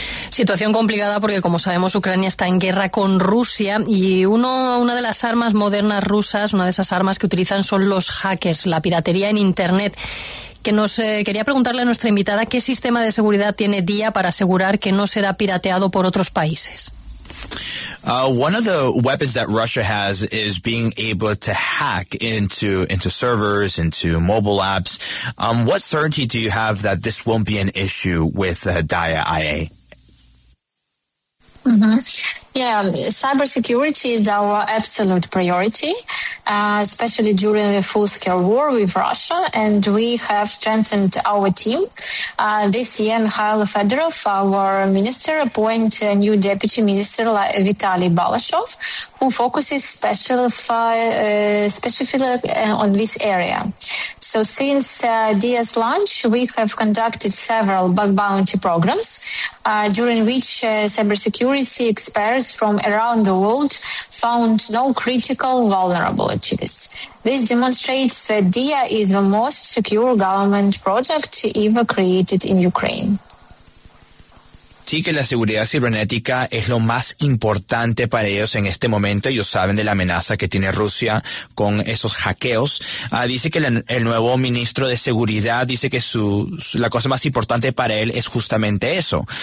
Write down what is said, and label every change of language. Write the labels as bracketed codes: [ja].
[es] Situación complicada porque, como sabemos, Ucrania está en guerra con Rusia y una de las armas modernas rusas, una de esas armas que utilizan son los hackers, la piratería en Internet. Quería preguntarle a nuestra invitada qué sistema de seguridad tiene DIA para asegurar que no será pirateado por otros países. [en] One of the weapons that Russia has is being able to hack into servers, into mobile apps. What certainty do you have that this won't be an issue with DIA IA? Mm-hmm. Yeah, cybersecurity is our absolute priority, especially during the full-scale war with Russia, and we have strengthened our team. This year, Mikhail Fedorov, our minister, appointed a new deputy minister, Vitaly Balashov, who focuses specifically on this area. So since DIA's launch, we have conducted several bug bounty programs, during which cybersecurity experts from around the world found no critical vulnerabilities. This demonstrates that DIA is the most secure government project ever created in Ukraine. [es] sí que la seguridad cibernética es lo más importante para ellos en este momento. Ellos saben de la amenaza que tiene Rusia con esos hackeos. Dice que el nuevo ministro de seguridad dice que la cosa más importante para él es justamente eso.